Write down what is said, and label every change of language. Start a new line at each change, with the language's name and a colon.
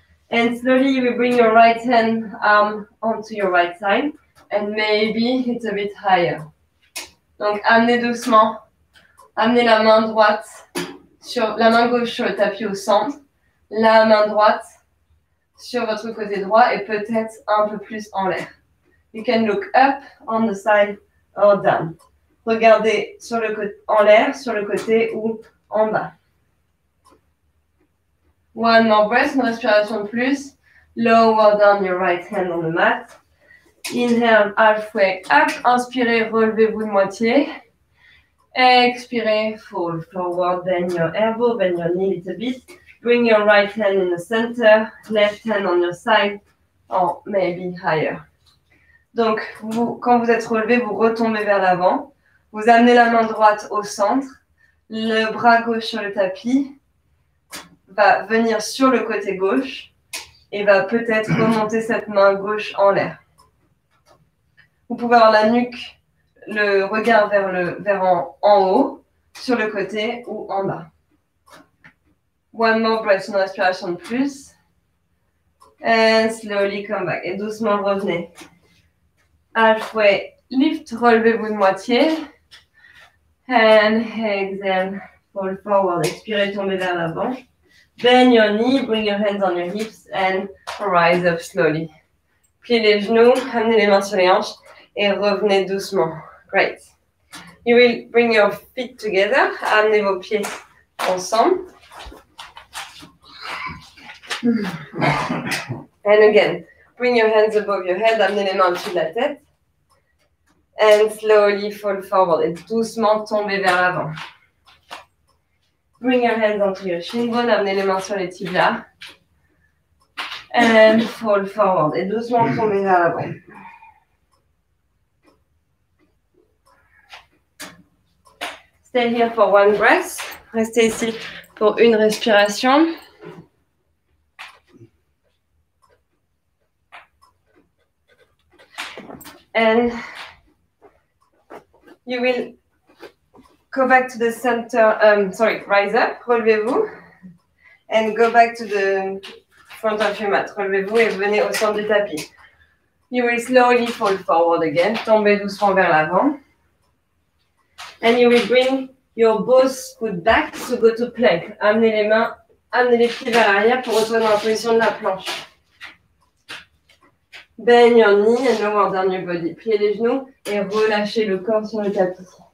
English: And slowly you will bring your right hand arm onto your right side. And maybe it's a bit higher.
French: Donc amenez doucement. Amenez la main droite sur la main gauche sur le tapis au centre. La main droite sur votre côté droit et peut-être un peu plus en l'air.
English: You can look up on the side or down.
French: Regardez sur le en l'air, sur le côté ou en bas.
English: One more breath,
French: une respiration de plus.
English: Lower down your right hand on the mat. Inhale, halfway up.
French: Inspirez, relevez-vous de moitié.
English: Expirez, fold forward, bend your elbow, bend your knee a little bit. Bring your right hand in the center, left hand on your side, or maybe higher.
French: Donc, quand vous êtes relevé, vous retombez vers l'avant. Vous amenez la main droite au centre. Le bras gauche sur le tapis va venir sur le côté gauche et va peut-être remonter cette main gauche en l'air. Vous pouvez avoir la nuque, le regard vers en haut, sur le côté ou en bas.
English: One more breath,
French: une respiration de plus.
English: And slowly come back.
French: Et doucement revenez.
English: Halfway lift,
French: relevez-vous de moitié.
English: And exhale, fold forward.
French: Expirez, tombez vers l'avant.
English: Bend your knee, bring your hands on your hips and rise up slowly.
French: Pliez les genoux, amenez les mains sur les hanches. Et revenez doucement.
English: Great. You will bring your feet together.
French: Amenez vos pieds ensemble.
English: And again, bring your hands above your head.
French: Amenez les mains au-dessus de la tête.
English: And slowly fall forward.
French: Et doucement tomber vers l'avant.
English: Bring your hands onto your shin bone.
French: Amenez les mains sur les tibias.
English: And fall forward.
French: Et doucement tomber vers l'avant.
English: Stay here for one breath.
French: Restez ici pour une respiration.
English: And you will go back to the center, rise up,
French: relevez-vous.
English: And go back to the front of your mat.
French: Relevez-vous et venez au centre du tapis.
English: You will slowly fall forward again.
French: Tombez doucement vers l'avant.
English: And you will bring your both foot back to go to plank.
French: Amenez les mains, amenez les pieds vers l'arrière pour retourner dans la position de la planche.
English: Bend your knee and lower down your body.
French: Pliez les genoux et relâchez le corps sur le tapis.